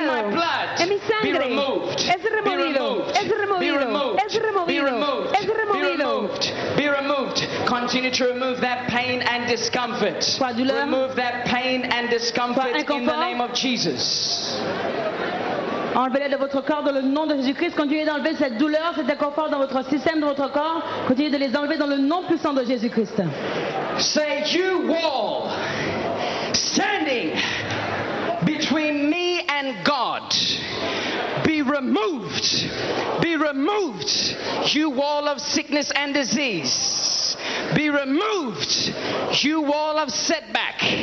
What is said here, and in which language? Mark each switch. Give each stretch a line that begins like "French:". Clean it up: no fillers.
English: in my blood,
Spanish: en mi sangre.
English: Be removed,
Spanish: es removido.
English: Be removed,
Spanish: es removido.
English: Be removed,
Spanish: es removido. es removido.
English: Be removed, be removed. Continue to remove that pain and discomfort. Remove that pain and discomfort in the name of Jesus.
French: Enlevez de votre corps dans le nom de Jésus-Christ. Continuez d'enlever cette douleur, cet inconfort dans votre système, dans votre corps. Continuez de les enlever dans le nom puissant de Jésus-Christ.
English: Say you wall standing between me and God. Be removed. Be removed. You wall of sickness and disease. Be removed, you wall of setback.